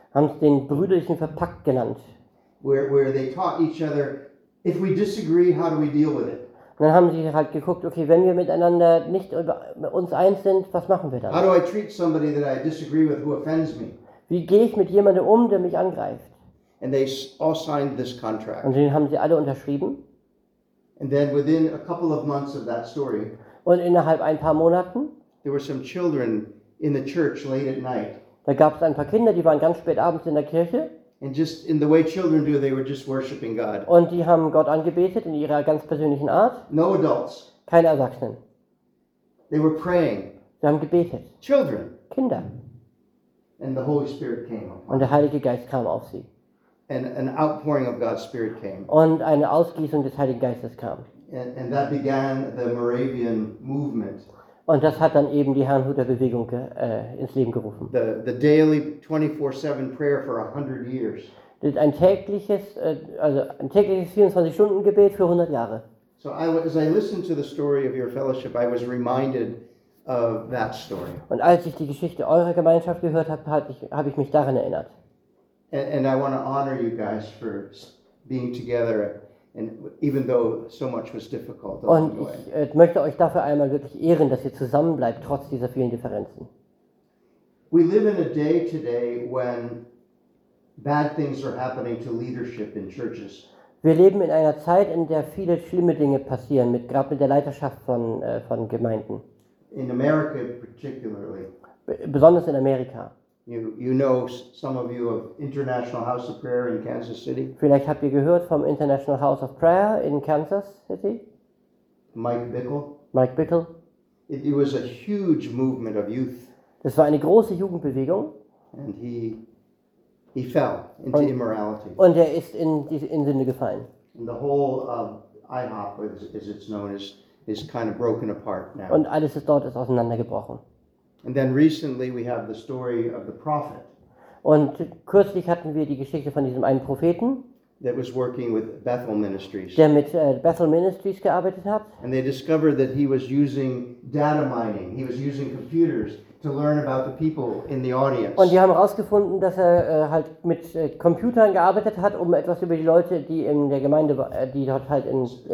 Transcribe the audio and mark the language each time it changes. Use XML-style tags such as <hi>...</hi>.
<de>Haben es den brüderlichen Verpakt genannt.</de> <en>Where they taught each other. If we disagree, how do we deal with it?</en> <de>Dann haben sie halt geguckt, okay, wenn wir miteinander nicht uns eins sind, was machen wir dann?</de> <en>How do I treat somebody that I disagree with who offends me?</en> <de>Wie gehe ich mit jemandem um, der mich angreift?</de> <en>And they all signed this contract.</en> <de>Und den haben sie alle unterschrieben.</de> <en>And then within a couple of months of that story.</en> <de>Und innerhalb ein paar Monaten.</de> <en>There were some children in the church late at night.</en> <de>Da gab es ein paar Kinder, die waren ganz spät abends in der Kirche.</de> <en>And just in the way children do, they were just worshiping God.</en> <de>Und die haben Gott angebetet in ihrer ganz persönlichen Art.</de> <en>No adults.</en> <de>Keine Erwachsenen.</de> <en>They were praying.</en> <de>Sie haben gebetet.</de> <en>Children.</en> <de>Kinder.</de> <en>And the Holy Spirit came upon.</en> <de>Und der Heilige Geist kam auf sie.</de> <en>And an outpouring of God's Spirit came.</en> <de>Und eine Ausgießung des Heiligen Geistes kam.</de> <en>And that began the Moravian movement.</en> <de>Und das hat dann eben die Herrenhuter Bewegung ins Leben gerufen.</de> <en>The daily 24/7 prayer for 100 years.</en> <de>Ein tägliches 24 Stunden Gebet für 100 Jahre.</de> <en>So as I listened to the story of your fellowship, I was reminded of that story.</en> <de>Und als ich die Geschichte eurer Gemeinschaft gehört habe, habe ich mich daran erinnert.</de> <en>And I want to honor you guys for being together, and even though so much was difficult.</en> <de>Und ich möchte euch dafür einmal wirklich ehren, dass ihr zusammenbleibt trotz dieser vielen Differenzen.</de> <en>We live in a day today when bad things are happening to leadership in churches.</en> <de>Wir leben in einer Zeit, in der viele schlimme Dinge passieren, gerade mit der Leiterschaft von Gemeinden.</de> <en>In America particularly.</en> <de>Besonders in Amerika.</de> <en>You know some of you of International House of Prayer in Kansas City.</en> <de>Vielleicht habt ihr gehört vom International House of Prayer in Kansas City.</de> <en>Mike Bickle. It was a huge movement of youth.</en> <de>Das war eine große Jugendbewegung.</de> <en>And he fell into immorality.</en> <de>Und ist in Sünde gefallen.</de> <en>And the whole of IHOP, as it's known, is kind of broken apart now.</en> <de>Und alles dort ist auseinandergebrochen.</de> <en>And then recently we have the story of the prophet.</en> <de>Und kürzlich hatten wir die Geschichte von diesem einen Propheten.</de> <en>That was working with Bethel Ministries.</en> <de>Der mit Bethel Ministries gearbeitet hat.</de> <en>And they discovered that he was using data mining. He was using computers to learn about the people in the audience.</en> <de>Und die haben herausgefunden, dass halt mit Computern gearbeitet hat, um etwas über die Leute, die in der Gemeinde, die dort halt in</de>